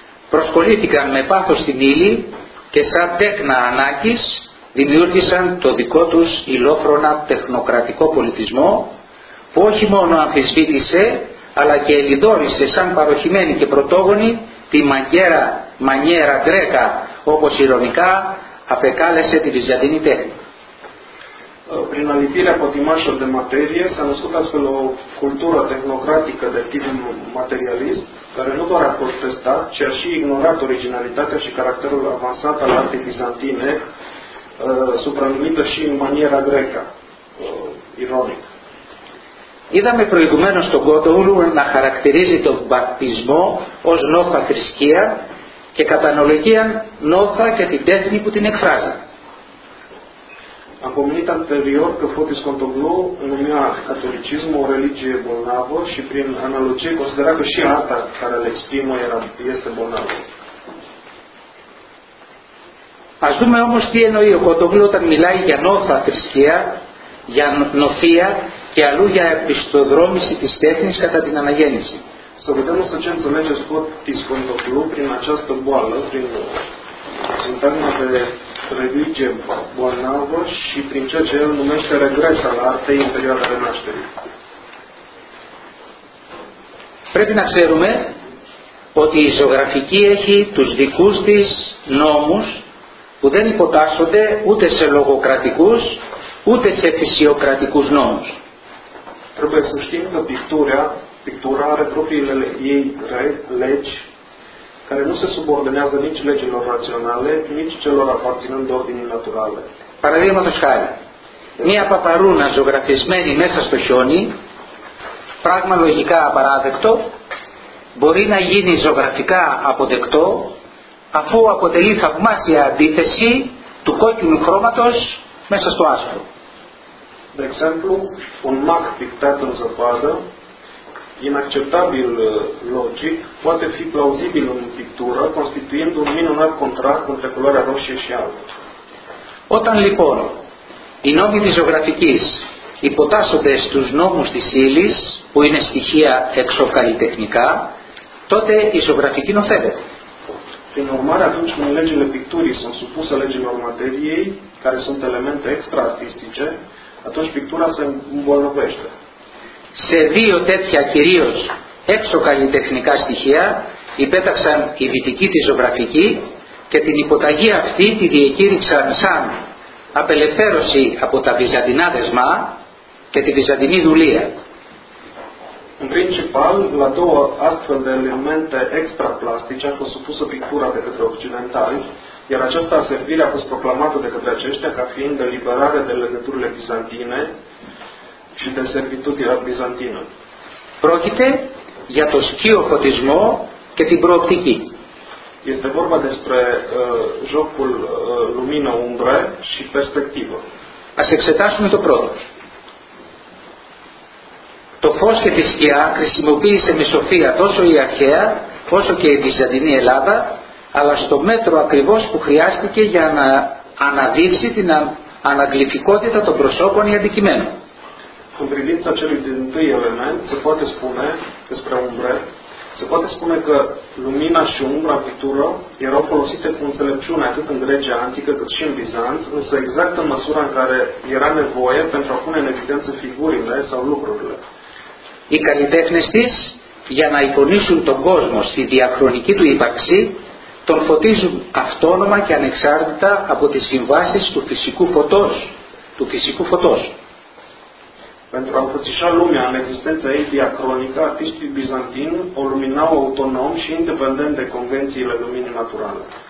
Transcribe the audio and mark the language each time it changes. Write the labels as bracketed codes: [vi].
[el] Προσχολήθηκαν με πάθος στην ύλη και σαν τέκνα ανάγκης δημιούργησαν το δικό τους υλόφρονα τεχνοκρατικό πολιτισμό που όχι μόνο αμφισβήτησε αλλά και ελιδόρησε σαν παροχημένη και πρωτόγονη τη μαγκέρα μανιέρα γκρέκα, όπως ηρωνικά απεκάλεσε τη Βυζαντινή τέχνη. [ro] Prin alipirea potimașă de materie s-a născut astfel o cultură tehnocratică de tip materialist, care nu doar a protestat, ci a și ignorat originalitatea și caracterul avansat al artei bizantine, supranumită și în maniera greca, ironic. [el] Είδαμε προηγουμένως τον Κότοουλου να χαρακτηρίζει τον μπαπτισμό ως νόθα θρησκεία και κατά αναλογία νόθα και την τέχνη που την εκφράζει. [ro] Am pomenit anterior că Fotis Contoglou numea catolicismul o religie bolnavă și prin analogie considera că și arta care le exprimă este bolnavă. [el] Ας δούμε όμως τι εννοεί ο Κοντογλού όταν μιλάει για νόθα θρησκεία, για νοθεία και αλλού για επιστοδρόμηση της τέχνης κατά την αναγέννηση. [ro] Să vedem să ce înțelege Fotis Contoglou prin această boală, prin συντάγμα τη religie bolnavă și prin ceea ce el numește regresa la arte în perioada de naștere. [el] Πρέπει να ξέρουμε ότι η ζωγραφική έχει τους δικούς της νόμους που δεν υποτάσσονται ούτε σε λογοκρατικούς ούτε σε φυσιοκρατικούς νόμους. Πρέπει να συστήνει ότι η πικτούρα έχει πρόβλημα λέγει [ro] care nu se subordonează nici legilor raționale, nici celor aparținând de ordinii naturale. [el] Παραδείγματος χάρη, μία παπαρούνα ζωγραφισμένη μέσα στο χιόνι, πράγμα λογικά απαράδεκτο, μπορεί να γίνει ζωγραφικά αποδεκτό, αφού αποτελεί θαυμάσια αντίθεση του κόκκινου χρώματος μέσα στο άσπρο. [ro] De exemplu, un mac pictat în zăpadă, inacceptabil logic, poate fi plauzibil în pictură, constituind un minunat contrast între culoarea roșie și albă. [el] Όταν λοιπόν οι νόμοι της ζωγραφικής υποτάσσονται στους νόμους της ύλης, που είναι στοιχεία εξωκαλλιτεχνικά, τότε η ζωγραφική νοθεύεται. [ro] Prin urmare, atunci când legile picturii sunt supuse legilor materiei, care sunt elemente extra-artistice, atunci pictura se îmbolnăvește. [el] Σε δύο τέτοια κυρίως έξω καλλιτεχνικά στοιχεία υπέταξαν η δυτική της ζωγραφική και την υποταγή αυτή τη διεκήρυξαν σαν απελευθέρωση από τα βυζαντινά δεσμά και τη βυζαντινή δουλεία. [ro] In principal, la două astfel de elemente extraplastice a fost supusă pictura de către occidentali, iar această servire a fost proclamată de către aceștia ca fiind eliberarea de legăturile bizantine și de servitutirea bizantină. [el] Πρόκειται για το σκύο φωτισμό και την προοπτική. [ro] Este vorba despre jocul lumină umbră și perspectivă. [el] Ας εξετάσουμε το πρώτο. Το φως και τη σκιά χρησιμοποίησε με σοφία τόσο η αρχαία όσο και η Βυζαντινή Ελλάδα, αλλά στο μέτρο ακριβώς που χρειάστηκε για να αναδείξει την αναγλυφικότητα των προσώπων ή αντικειμένων. [ro] În privința celui din tâi element, se poate spune despre umbre, se poate spune că lumina și umbra în pictură erau folosite cu înțelepciune atât în Grecia antică cât și în Bizanț, însă exact în măsura în care era nevoie pentru a pune în evidență figurile sau lucrurile. [el] Οι καλλιτέχνες της, για να εικονίσουν τον κόσμο στη διαχρονική του ύπαρξη, τον φωτίζουν αυτόνομα και ανεξάρτητα από τις συμβάσεις του φυσικού φωτός. [ro] Pentru a înfățișa lumea în existența ei diacronică, artiștii bizantini o luminau autonom și independent de convențiile luminii naturale.